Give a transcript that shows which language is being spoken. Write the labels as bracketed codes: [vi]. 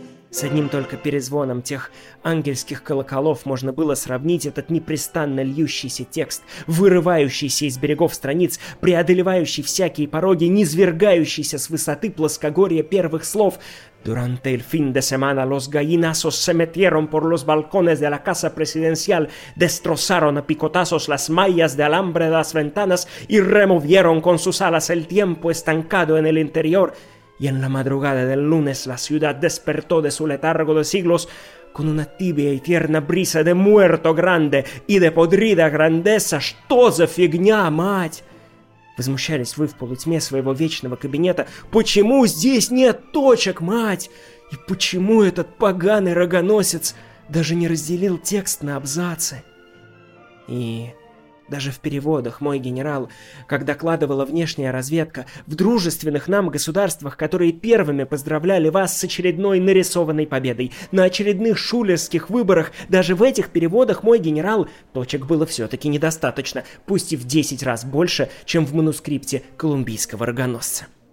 [ru] С одним только перезвоном тех ангельских колоколов можно было сравнить этот непрестанно льющийся текст, вырывающийся из берегов страниц, преодолевающий всякие пороги, низвергающийся с высоты плоскогорья первых слов. [es] «Durante el fin de semana los gallinazos se metieron por los balcones de la casa presidencial, destrozaron a picotazos las mallas de alambre de las ventanas y removieron con sus alas el tiempo estancado en el interior». Y en la madrugada del lunes la ciudad despertó de su letargo de siglos con una tibia y tierna brisa de muerto grande y de podrida grandeza. [ru] ¡Что за фигня, мать! Возмущались вы в полутьме своего вечного кабинета. Почему здесь нет точек, мать? И почему этот поганый рогоносец даже не разделил текст на абзацы? И даже в переводах, мой генерал, как докладывала внешняя разведка, в дружественных нам государствах, которые первыми поздравляли вас с очередной нарисованной победой, на очередных шулерских выборах, даже в этих переводах, мой генерал, точек было все-таки недостаточно, пусть и в 10 раз больше, чем в манускрипте колумбийского рогоносца.